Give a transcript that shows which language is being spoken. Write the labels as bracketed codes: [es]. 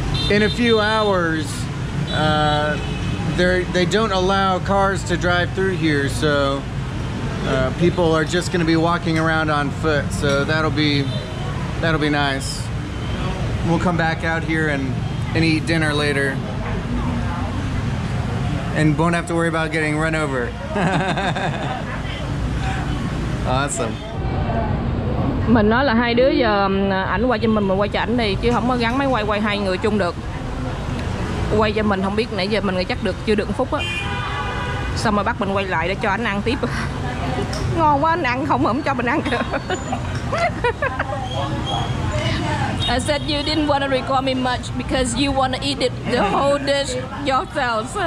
[en] In a few hours, they don't allow cars to drive through here, so people are just going to be walking around on foot. So that'll be nice. We'll come back out here and eat dinner later. And won't have to worry about getting run over. Awesome. [vi] Mình nói là hai đứa giờ ảnh quay cho mình quay cho ảnh đi chứ không có gắn máy quay hai người chung được. Quay cho mình không biết nãy giờ mình chắc được chưa được một phút á. Xong rồi bắt mình quay lại để cho ảnh ăn tiếp. Ngon quá, anh ăn không cho mình ăn được. [en] I said you didn't want to record me much because you want to eat it, the whole dish yourself.